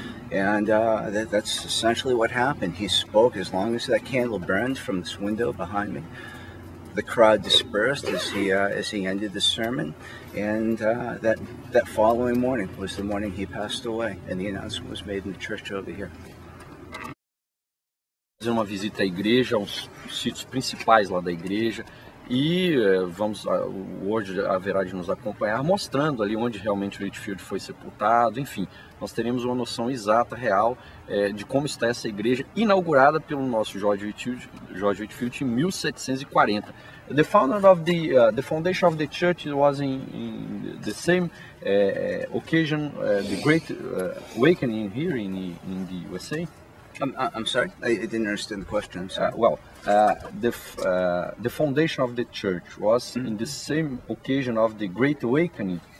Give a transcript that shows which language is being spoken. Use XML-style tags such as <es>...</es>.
<en>And that's essentially what happened. He spoke as long as that candle burned from this window behind me. The crowd dispersed as he ended the sermon, and that following morning was the morning he passed away, and the announcement was made in the church over here.</en> <pt>Fazer uma visita à igreja, aos sítios principais lá da igreja, e hoje haverá de nos acompanhar mostrando ali onde realmente o Whitefield foi sepultado. Enfim, nós teremos uma noção exata, real, de como está essa igreja inaugurada pelo nosso George Whitefield em 1740.</pt> <en>The founder of the foundation of the church was in the same occasion, the great awakening here in the USA. I'm sorry, I didn't understand the question. The foundation of the church was in the same occasion of the Great Awakening.</en>